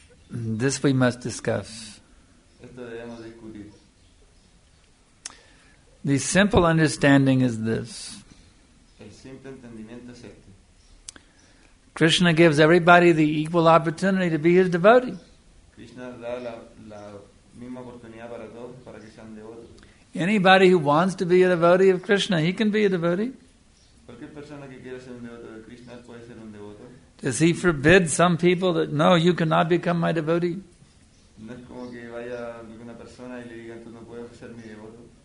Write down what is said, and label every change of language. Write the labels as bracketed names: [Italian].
[English] This we must discuss. [Spanish] Esto debemos discutir. [English] The simple understanding is this. [Spanish] El simple entendimiento es este. [English] Krishna gives everybody the equal opportunity to be his devotee. [Spanish] Krishna da la misma oportunidad para todos, para que sean devotos. [English] Anybody who wants to be a devotee of Krishna, he can be a devotee. [Spanish] Cualquier persona que quiera ser un devoto de Krishna puede ser un devoto. [English] Does he forbid some people that, no, you cannot become my devotee? [Spanish] No es como que vaya alguna persona y le diga, tú no puedes ser mi devoto.